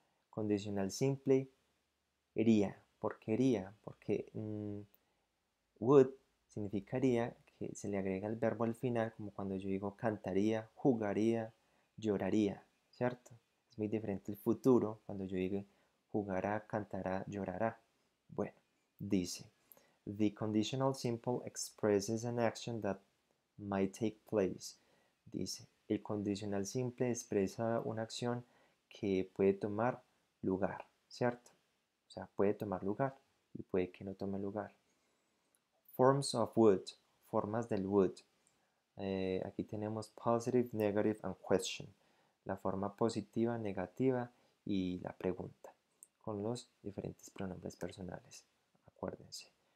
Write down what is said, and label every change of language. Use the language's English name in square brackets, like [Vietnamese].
[Spanish] Condicional simple iría. ¿Por qué iría? Porque would significaría que se le agrega el verbo al final, como cuando yo digo cantaría, jugaría, lloraría, ¿cierto? Es muy diferente el futuro cuando yo digo jugará, cantará, llorará. Bueno, dice: [English] the conditional simple expresses an action that might take place. [Spanish] Dice: el condicional simple expresa una acción que puede tomar lugar, ¿cierto? O sea, puede tomar lugar y puede que no tome lugar. [English] Forms of would, [Spanish] formas del would. Aquí tenemos [English] positive, negative and question. [Spanish] La forma positiva, negativa y la pregunta con los diferentes pronombres personales. Acuérdense.